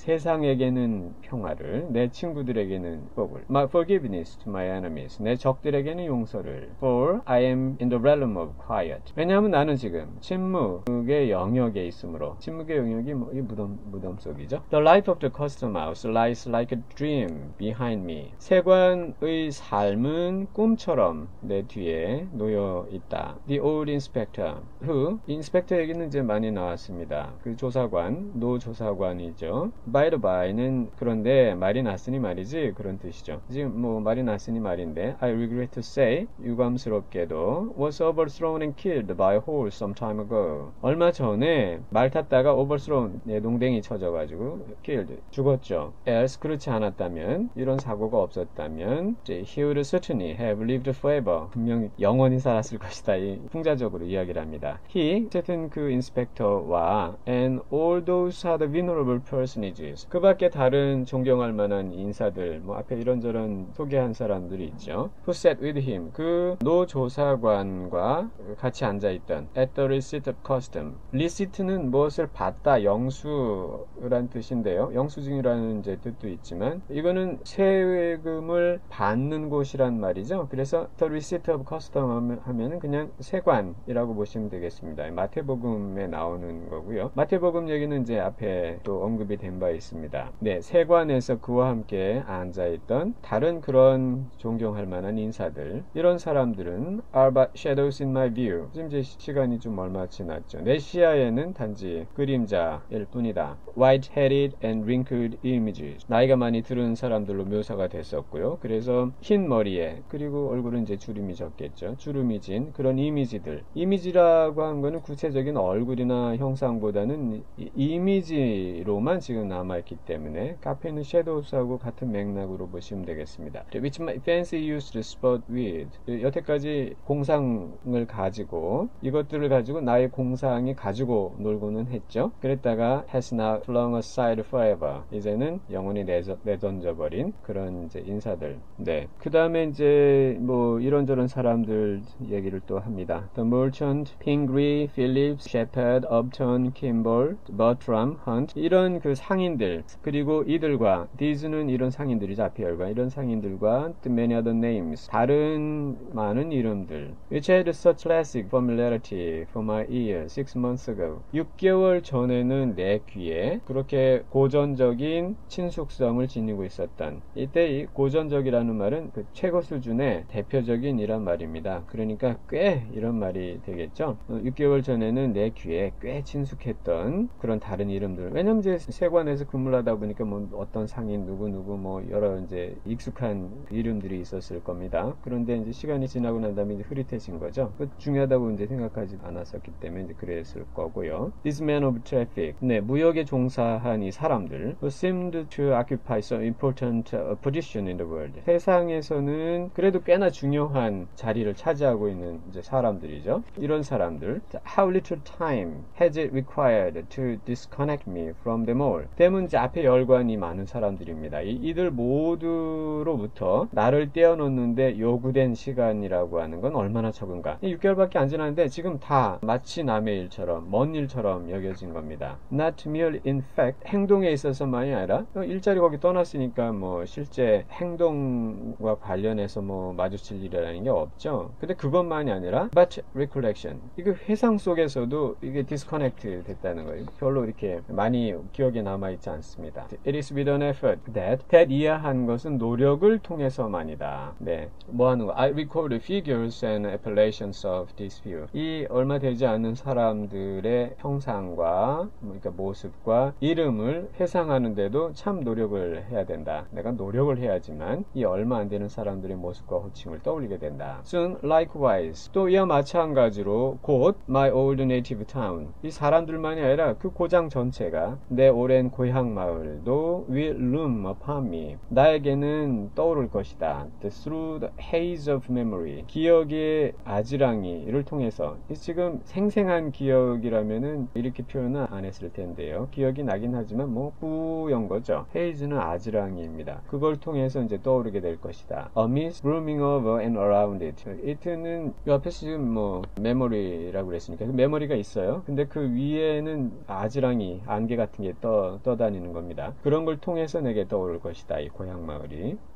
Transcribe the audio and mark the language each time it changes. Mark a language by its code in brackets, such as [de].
[ko] 세상에게는 평화를, 내 친구들에게는 복을. [en] My forgiveness to my enemies. [ko] 내 적들에게는 용서를. [en] For I am in the realm of quiet. [ko] 왜냐하면 나는 지금 침묵의 영역에 있으므로, 침묵의 영역 여기 뭐, 이 무덤 속이죠. [en] The life of the custom house lies like a dream behind me. [ko] 세관의 삶은 꿈처럼 내 뒤에 놓여 있다. [en] The old inspector who? [ko] 인스펙터 얘기는 이제 많이 나왔습니다. 그 조사관, 노 조사관이죠. [en] By the by [ko] 는 그런데 말이 났으니 말이지 그런 뜻이죠. 지금 뭐 말이 났으니 말인데 [en] I regret to say, [ko] 유감스럽게도 [en] was overthrown and killed by a horse some time ago. [ko] 얼마 전에 말 탔다가 over 네, 농댕이 쳐져가지고 killed 죽었죠. [en] Else [ko] 그렇지 않았다면 이런 사고가 없었다면 [en] he would certainly have lived forever. [ko] 분명 영원히 살았을 것이다. 이 풍자적으로 이야기를 합니다. He 어쨌든 그 인스펙터와 [en] and all those other venerable personages [ko] 그밖에 다른 존경할 만한 인사들 뭐 앞에 이런저런 소개한 사람들이 있죠. [en] Who sat with him [ko] 그노 조사관과 같이 앉아있던 [en] at the receipt of custom. [ko] Receipt는 무엇을 받다 영수란 뜻인데요. 영수증이라는 이제 뜻도 있지만 이거는 세금을 받는 곳이란 말이죠. 그래서 [en] The Receipt of Custom [ko] 하면은 그냥 세관이라고 보시면 되겠습니다. 마태복음에 나오는 거고요. 마태복음 얘기는 이제 앞에 또 언급이 된바 있습니다. 네, 세관에서 그와 함께 앉아있던 다른 그런 존경할 만한 인사들 이런 사람들은 [en] Are but shadows in my view. [ko] 지금 제 시간이 좀 얼마 지났죠. 내 시야에는 단지 그림자 일 뿐이다. [en] White headed and wrinkled images. [ko] 나이가 많이 들은 사람들로 묘사가 됐었고요. 그래서 흰 머리에 그리고 얼굴은 이제 주름이 졌겠죠. 주름이 진 그런 이미지들. 이미지라고 한 거는 구체적인 얼굴이나 형상보다는 이미지로만 지금 남아있기 때문에 카페는 섀도우스하고 같은 맥락으로 보시면 되겠습니다. [en] Which my fancy used to spot with. [ko] 여태까지 공상을 가지고 이것들을 가지고 나의 공상이 가지고 놀고는 했죠. [en] 그랬다 has now flung aside forever. [ko] 이제는 영원히 내던져버린 그런 이제 인사들. 네. 그 다음에 이제 뭐 이런저런 사람들 얘기를 또 합니다. [en] The merchant, Pingree, Phillips, Shepherd, Upton, Kimball, Bertram, Hunt. [ko] 이런 그 상인들. 그리고 이들과, these는 이런 상인들이죠. 앞에 열과. 이런 상인들과, [en] the many other names. [ko] 다른 많은 이름들. [en] Which had such classic familiarity for my ear 6 months ago. [ko] 6개월 전에는 내 귀에 그렇게 고전적인 친숙성을 지니고 있었던 이때 이 고전적이라는 말은 그 최고 수준의 대표적인 이란 말입니다. 그러니까 꽤 이런 말이 되겠죠. 6개월 전에는 내 귀에 꽤 친숙했던 그런 다른 이름들. 왜냐면 이제 세관에서 근무하다 보니까 뭐 어떤 상인 누구누구 뭐 여러 이제 익숙한 이름들이 있었을 겁니다. 그런데 이제 시간이 지나고 난 다음에 이제 흐릿해진 거죠. 그 중요하다고 이제 생각하지 않았었기 때문에 이제 그랬을 거고요. [en] This man of traffic. [ko] 네, 무역에 종사한 이 사람들 [en] who seemed to occupy some important position in the world. [ko] 세상에서는 그래도 꽤나 중요한 자리를 차지하고 있는 이제 사람들이죠. 이런 사람들. [en] How little time has it required to disconnect me from them all? [ko] 때문에 앞에 열관이 많은 사람들입니다. 이들 모두로부터 나를 떼어놓는데 요구된 시간이라고 하는 건 얼마나 적은가. 6개월밖에 안 지났는데 지금 다 마치 남의 일처럼 먼 일처럼 여겨진 겁니다. [en] Not merely in fact, [ko] 행동에 있어서만이 아니라 일자리 거기 떠났으니까 뭐 실제 행동과 관련해서 뭐 마주칠 일이라는 게 없죠. 근데 그것만이 아니라 [en] but recollection, [ko] 이게 회상 속에서도 이게 disconnect 됐다는 거예요. 별로 이렇게 많이 기억에 남아있지 않습니다. [en] It is with an effort that [ko] 이하한 것은 노력을 통해서만이다. 네, 뭐 하는 거? [en] I recall the figures and appellations of this view. [ko] 이 얼마 되지 않은 사람들의 형상과 그러니까 모습과 이름을 회상하는데도 참 노력을 해야 된다. 내가 노력을 해야지만 이 얼마 안 되는 사람들의 모습과 호칭을 떠올리게 된다. [en] Soon, likewise. [ko] 또 이와 마찬가지로 곧 [en] my old native town. [ko] 이 사람들만이 아니라 그 고장 전체가 내 오랜 고향 마을도 [en] will loom upon me. [ko] 나에게는 떠오를 것이다. [en] Through the haze of memory. [ko] 기억의 아지랑이를 통해서 지금 생생한 기억이라면은 이렇게 표현은 안 안 했을 텐데요. 기억이 나긴 하지만 뭐 뿌연 거죠. 헤이즈는 아지랑이입니다. 그걸 통해서 이제 떠오르게 될 것이다. [en] A mist brooming over and around it. [ko] It는 요 앞에서 지금 뭐 메모리라고 그랬으니까 메모리가 있어요. 근데 그 위에는 아지랑이 안개 같은 게 떠다니는 겁니다. 그런 걸 통해서 내게 떠오를 것이다. 이 고향 마을이.